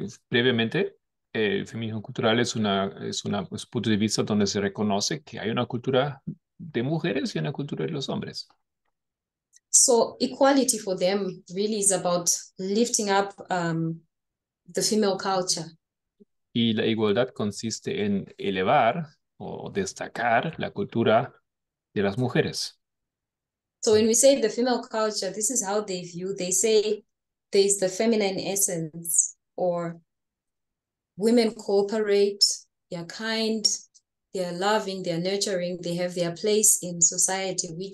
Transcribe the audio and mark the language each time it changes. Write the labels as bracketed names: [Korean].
[Spanish] Brevemente, el feminismo cultural es un punto de vista donde se reconoce que hay una cultura de mujeres y una cultura de los hombres. [English] So equality for them really is about lifting up the female culture. [Spanish] Y la igualdad consiste en elevar o destacar la cultura de las mujeres. [English] So when we say the female culture, this is how they view. They say there's the feminine essence, or women cooperate, they're kind, they're loving, they're nurturing, they have their place in society,